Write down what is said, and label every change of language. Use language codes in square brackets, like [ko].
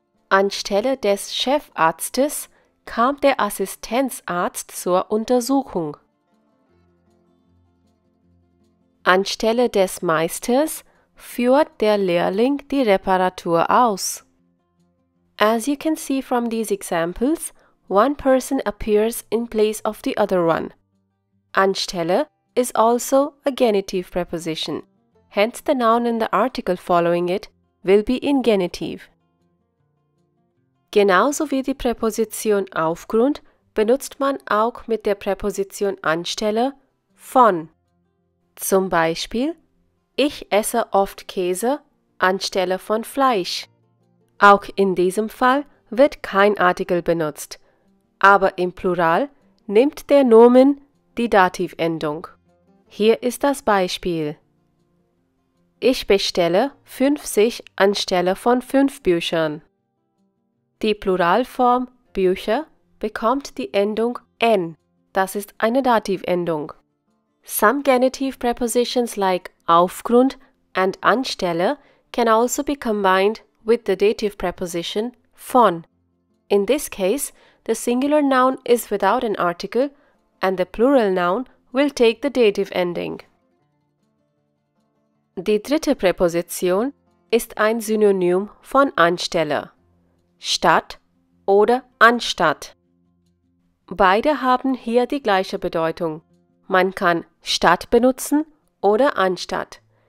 [de] Anstelle des Chefarztes kam der Assistenzarzt zur Untersuchung. Anstelle des Meisters führt der Lehrling die Reparatur aus. [en] As you can see from these examples, one person appears in place of the other one. Anstelle is also a genitive preposition. Hence, the noun in the article following it will be in genitive. [de] Genauso wie die Präposition aufgrund benutzt man auch mit der Präposition anstelle von. Zum Beispiel, ich esse oft Käse anstelle von Fleisch. Auch in diesem Fall wird kein Artikel benutzt, aber im Plural nimmt der Nomen die Dativendung. Hier ist das Beispiel. Ich bestelle 50 anstelle von 5 Büchern. Die Pluralform Bücher bekommt die Endung N. Das ist eine Dativendung. [en] Some genitive prepositions like aufgrund and anstelle can also be combined with the dative preposition von. In this case, the singular noun is without an article and the plural noun will take the dative ending. [de] Die dritte Präposition ist ein Synonym von anstelle. Statt oder anstatt. Beide haben hier die gleiche Bedeutung. Man kann statt benutzen oder anstatt.